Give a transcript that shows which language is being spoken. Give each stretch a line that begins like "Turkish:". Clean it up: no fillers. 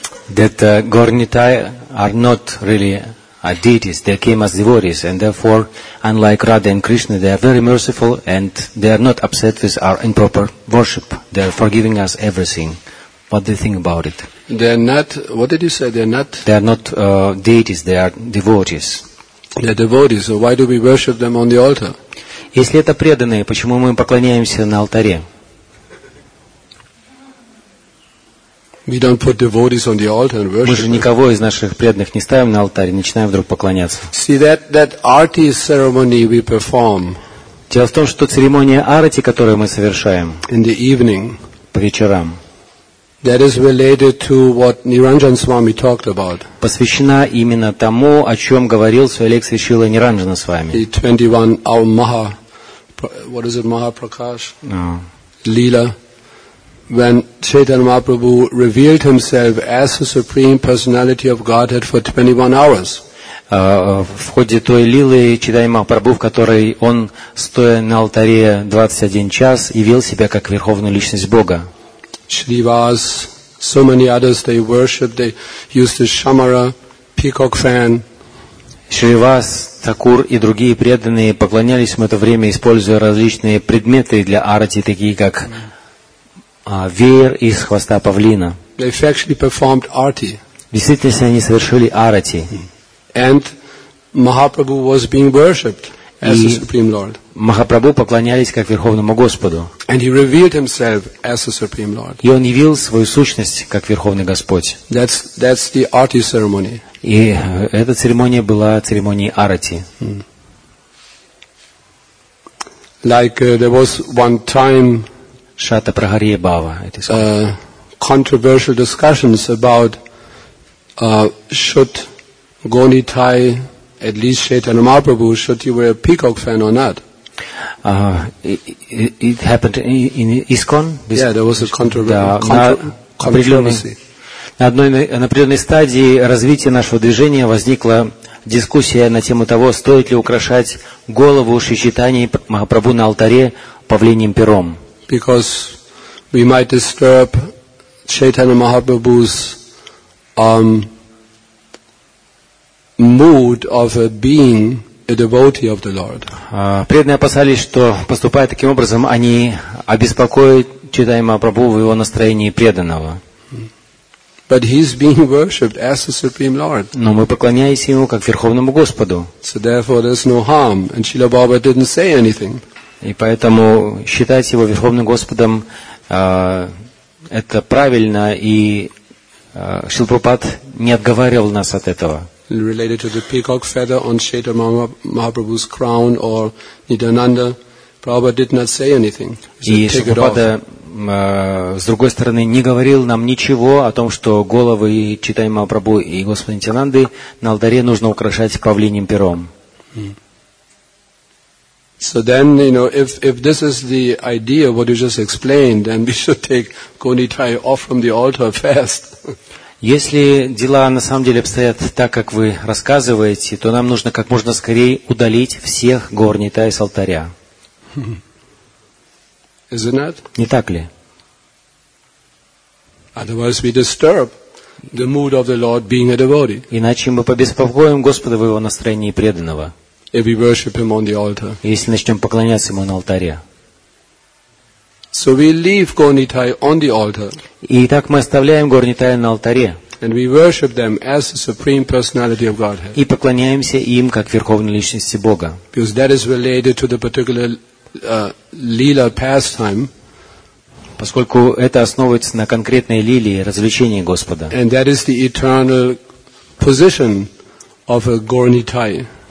English: That Gauranitai are not really deities, they came as devotees, and therefore, unlike Radha and Krishna, they are very merciful and they are not upset with our improper worship. They are forgiving us everything. What do you think about it? They are not, what did you say, they are not? They are not deities, they are devotees. They are devotees, so why do we worship them on the altar?
Russian: Если это преданные, почему мы поклоняемся на алтаре?
English: We don't put devotees on the altar and worship.
Russian: Мы же никого из наших преданных не ставим на алтарь и начинаем вдруг поклоняться.
English: See that arti ceremony we perform.
Russian: Дело в том, что церемония арати, которую мы совершаем,
English: in the evening,
Russian: по вечерам,
English: that is related to what Niranjan Swami talked about.
Russian: Посвящена именно тому, о чем говорил в своей лекции Шрила Ниранджана с вами.
English: The 21 hour Maha, what is it, Mahaprakash? No. Lila. When Chaitanya Mahaprabhu revealed himself as the Supreme Personality of Godhead for 21 hours.
Russian: В ходе той лилы Чайтанья Махапрабху, в которой он, стоя на алтаре 21 час, явил себя как Верховную Личность Бога.
English: Shrivas, so many others, they worship, they use the shamara, peacock fan.
Russian: Шривас, Такур и другие преданные поклонялись в это время, используя различные предметы для арати, такие как веер из хвоста павлина. Действительно, они совершили арати.
English: And Mahaprabhu was being worshipped as the Supreme Lord.
Russian: Махапрабху поклонялись как Верховному Господу.
English: And he revealed himself as the Supreme Lord.
Russian: И он явил свою сущность как Верховный Господь.
English: That's the arati ceremony.
Russian: И эта церемония была церемонией арати.
English: Like there was one time
Russian: Шата Прагарья Бава.
English: Controversial discussions about should Goni Thai, at least Chaitanya Mahaprabhu, should he wear a peacock fan or not? It happened in ISKCON. There was a controversy.
Russian: На одной определенной стадии развития нашего движения возникла дискуссия на тему того, стоит ли украшать голову Шри Чайтаньи Махапрабху на алтаре павлиньим пером.
English: Because we might disturb Chaitanya Mahaprabhu's mood of being a devotee of the Lord.
Russian: Преданные опасались, что поступая таким образом, они обеспокоят Чайтанью Махапрабху в его настроении преданного.
English: But he's being worshipped as the Supreme Lord.
Russian: Но мы поклоняемся ему как Верховному Господу.
English: So therefore, there's no harm, and Srila Prabhupada didn't say anything.
Russian: И поэтому считать его Верховным Господом это правильно, и Шрила Прабхупад не отговаривал нас от этого.
English: Related to the peacock feather on Chaitanya Mahaprabhu's crown or Nidananda, Prabhupada did not say anything.
Russian: И Шрила Прабхупада, с другой стороны, не говорил нам ничего о том, что головы Чайтаньи Махапрабху и Господа Нитьянанды на алтаре нужно украшать павлиньим пером.
English: So then, you know, if this is the idea what you just explained, then we should take Goni Thai off from the altar fast.
Russian: Если дела на самом деле обстоят так, как вы рассказываете, то нам нужно как можно скорее удалить всех Горни Тай с алтаря.
English: Is it not?
Russian: Не так ли?
English: Otherwise we disturb the mood of the Lord being a devotee.
Russian: Иначе мы побеспокоим Господа в его настроении преданного.
English: If we worship him on the altar.
Russian: Если начнем поклоняться ему на алтаре.
English: So we leave Goni Thai on the altar.
Russian: И так мы оставляем Горни Тая на алтаре.
English: And we worship them as the supreme personality of Godhead.
Russian: И поклоняемся им как верховной личности Бога.
English: Because that is related to the particular lila pastime.
Russian: Поскольку это основывается на конкретной лиле, развлечении Господа.
English: And that is the eternal position of a Goni Thai.